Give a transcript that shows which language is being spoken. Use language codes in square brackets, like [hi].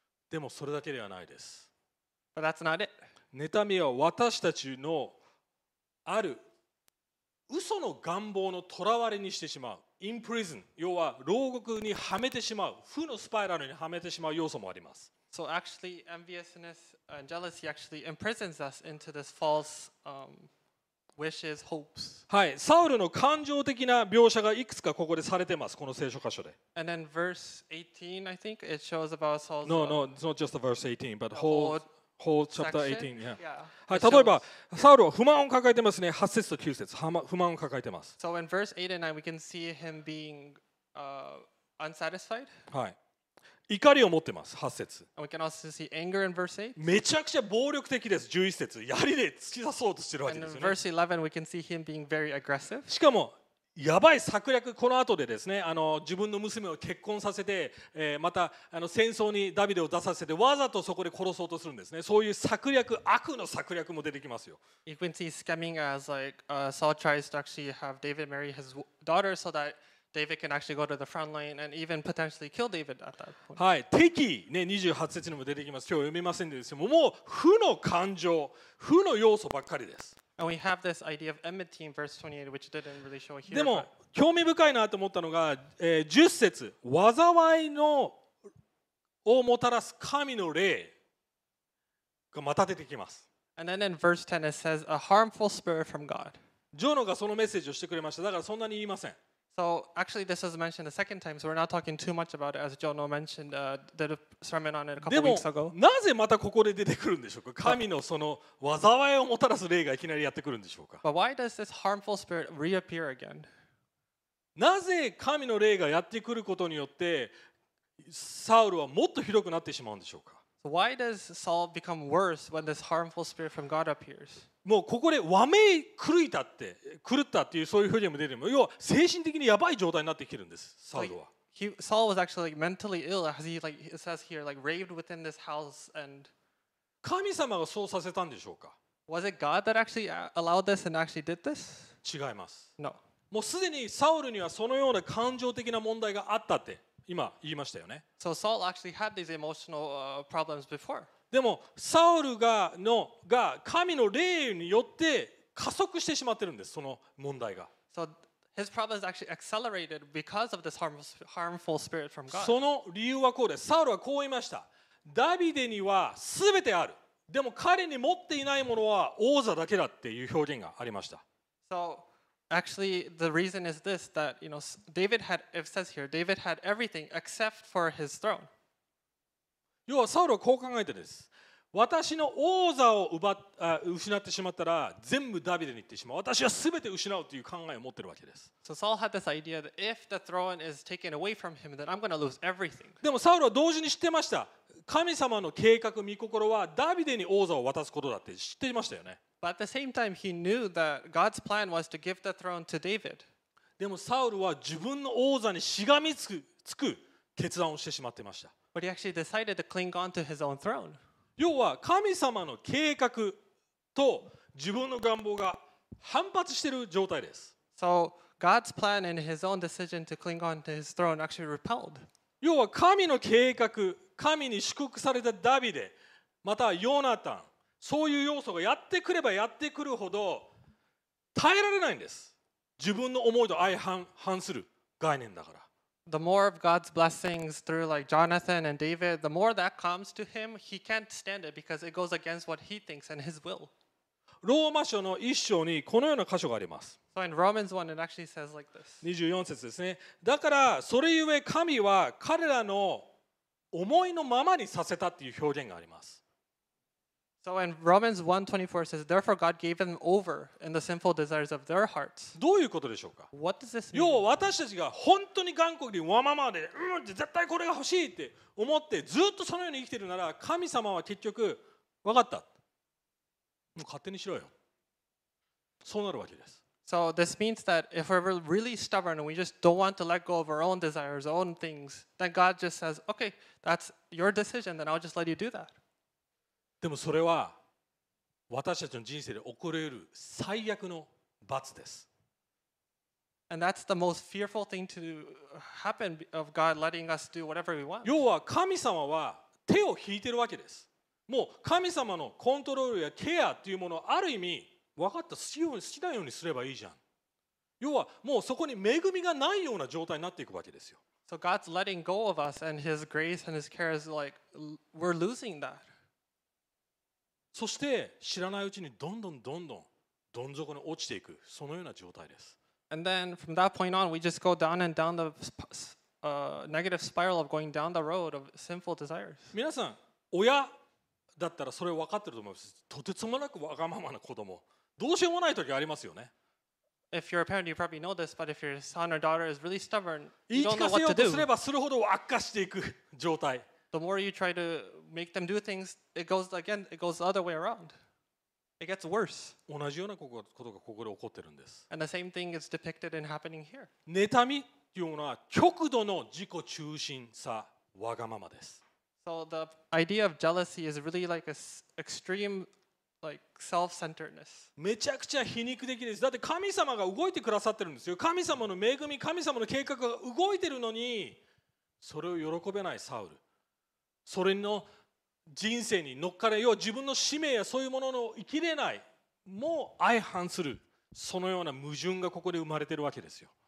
[ja] でもそれだけではないです。 [en] But that's not it. [ja] 妬みは私たちのある嘘の願望の囚われにしてしまう。 Imprison、要は牢獄にはめてしまう。負のスパイラルにはめてしまう要素もあります。 [en] So actually, enviousness and jealousy actually imprisons us into this false, wishes, hopes. [ja] はい、サウルの感情的な描写がいくつかここでされてます、この聖書箇所で。 [en] And then verse 18, I think it shows about Saul's. No, no, it's not just the verse 18, but whole chapter 18. Yeah. Yeah. [ja] はい、例えばサウルは不満を抱えてますね、8節と9節、不満を抱えてます。 [en] So in verse 8 and 9, we can see him being unsatisfied. [ja] はい。怒りを持ってます。8節。 [en] And we can also see anger in verse 8. [ja] めちゃくちゃ暴力的です。11節。槍で突き刺そうとしてるわけですよね。 [en] And in verse 11, we can see him being very aggressive. [ja] しかも、やばい策略、この後でですね、自分の娘を結婚させて、また戦争にダビデを出させて、わざとそこで殺そうとするんですね。そういう策略、悪の策略も出てきますよ。 [en] You can see scamming as like, Saul tries to actually have David marry his daughter so that David can actually go to the front line and even potentially kill David at that point. [ja] はい、敵ね、28節にも出てきます。今日読みませんでしたけど、もう負の感情、負の要素ばっかりです。 [en] And we have this idea of enmity in verse 28, which didn't really show here. [ja] でも興味深いなと思ったのが、10節、災いのをもたらす神の霊がまた出てきます。 [en] And then in verse 10 it says a harmful spirit from God. [ja] ジョノがそのメッセージをしてくれました。だからそんなに言いません。 [en] So actually, this was mentioned a second time, so we're not talking too much about it, as Jono mentioned, did a sermon on it a couple weeks ago. [ja] なぜまたここで出てくるんでしょうか。神のその災いをもたらす霊がいきなりやってくるんでしょうか。 [en] But why does this harmful spirit reappear again? [ja] なぜ神の霊がやってくることによってサウルはもっとひどくなってしまうんでしょうか。 [en] So why does Saul become worse when this harmful spirit from God appears? [ja] もうここでわめい狂いたって狂ったっていうそういう表現も出ても、要は精神的にやばい状態になってきてるんです、サウルは。 [en] Saul was actually mentally ill, as he like it says here, like raved within this house and. [ja] 神様がそうさせたんでしょうか。 [en] Was it God that actually allowed this and actually did this? [ja] 違います。 [en] No. [ja] もうすでにサウルにはそのような感情的な問題があったって今言いましたよね。 [en] So Saul actually had these emotional problems before. [ja] でもサウルが神の霊によって加速してしまってるんです、その問題が。 [en] So his problem is actually accelerated because of this harmful spirit from God. [ja] その理由はこうです。サウルはこう言いました。ダビデには全てある。でも彼に持っていないものは王座だけだっていう表現がありました。 [en] So, actually, the reason is this, that, you know, David had, it says here, David had everything except for his throne. [ja] 要はサウルはこう考えてです。私の王座を失ってしまったら全部ダビデに行ってしまう。私は全て失うという考えを持っているわけです。 [en] So Saul had this idea that if the throne is taken away from him, then I'm going to lose everything. [ja] でもサウルは同時に知ってました。神様の計画、御心はダビデに王座を渡すことだって知っていましたよね。 [en] But at the same time, he knew that God's plan was to give the throne to David. [ja] でもサウルは自分の王座にしがみつく決断をしてしまっていました。 [en] But he actually decided to cling on to his own throne. [ja] 要は神様の計画と自分の願望が反発している状態です。 [en] So God's plan and his own decision to cling on to his throne actually repelled. [ja] 要は神の計画、神に祝福されたダビデ、またヨナタン、そういう要素がやってくればやってくるほど耐えられないんです。自分の思いと相反する概念だから。 [en] The more of God's blessings through like Jonathan and David, the more that comes to him, he can't stand it because it goes against what he thinks and his will. [ja] ローマ書の一章にこのような箇所があります。 [en] So in Romans 1, it actually says like this. [ja] 24節ですね。だからそれゆえ神は彼らの思いのままにさせたっていう表現があります。 [en] So in Romans 1:24 says, therefore God gave them over in the sinful desires of their hearts. [ja] どういうことでしょうか? [en] What does this mean? [ja] 要は私たちが本当に頑固にわままで、絶対これが欲しいって思ってずっとそのように生きてるなら、神様は結局分かった。もう勝手にしろよ。そうなるわけです。 [en] So this means that if we're really stubborn and we just don't want to let go of our own desires, our own things, then God just says, okay, that's your decision, then I'll just let you do that. [ja] でもそれは私たちの人生で起こり得る最悪の罰です。 [en] And that's the most fearful thing to happen of God letting us do whatever we want. [ja] 要は神様は手を引いてるわけです。もう神様のコントロールやケアというものをある意味分かった、好きなようにすればいいじゃん。要はもうそこに恵みがないような状態になっていくわけですよ。 [en] So God's letting go of us and His grace and His care is like we're losing that. [ja] そして知らないうちにどんどんどんどんどん底に落ちていく、そのような状態です。 [en] And then from that point on, we just go down and down the negative spiral of going down the road of sinful desires. [ja] 皆さん、親だったらそれ分かってると思います。とてつもなくわがままな子供、どうしようもない時ありますよね。 [en] If you're a parent, you probably know this, but if your son or daughter is really stubborn, you don't know what to do. [ja] 言い聞かせようとすればするほど悪化していく状態。 [en] The more you try to make them do things, it goes the other way around. It gets worse. [ja] 同じようなことがここで起こってるんです。 [en] And the same thing is depicted and happening here. [ja] 妬みっていうのは極度の自己中心さ、わがままです。 [en] So the idea of jealousy is really like an extreme like self-centeredness. [ja] めちゃくちゃ皮肉的です。だって神様が動いてくださってるんですよ。神様の恵み、神様の計画が動いてるのに、それを喜べないサウル。それの人生に乗っかれよう、自分の使命やそういうものの生きれない、もう相反する、そのような矛盾がここで生まれているわけですよ。